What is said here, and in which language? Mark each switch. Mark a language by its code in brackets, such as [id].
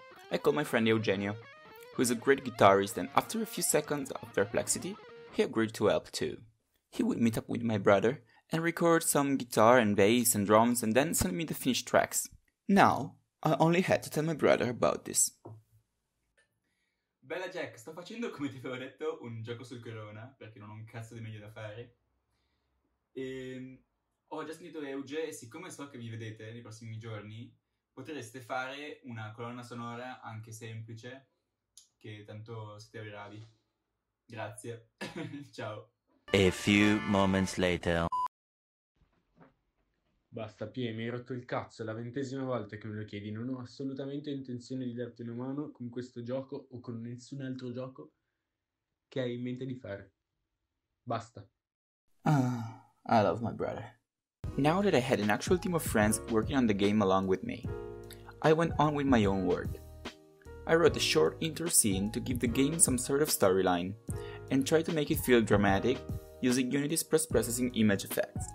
[en] I called my friend Eugenio, who is a great guitarist, and after a few seconds of perplexity, he agreed to help too. He would meet up with my brother and record some guitar and bass and drums and then send me the finished tracks. Now, I only had to tell my brother about this. [it] Bella Jack, sto facendo, come ti avevo detto, un gioco sul corona, perché non ho un cazzo di meglio da fare. Ho già sentito Euge e siccome so che vi vedete nei prossimi giorni, potreste fare una colonna sonora anche semplice, che tanto siete bravi. Grazie. Ciao. [en] A few moments later. [it] Basta, Pie, mi hai rotto il cazzo, è la 20ª volta che me lo chiedi, non ho assolutamente intenzione di darti una mano con questo gioco o con nessun altro gioco che hai in mente di fare. Basta. [en] I love my brother. Now that I had an actual team of friends working on the game along with me, I went on with my own work. I wrote a short intro scene to give the game some sort of storyline and tried to make it feel dramatic using Unity's post-processing image effects.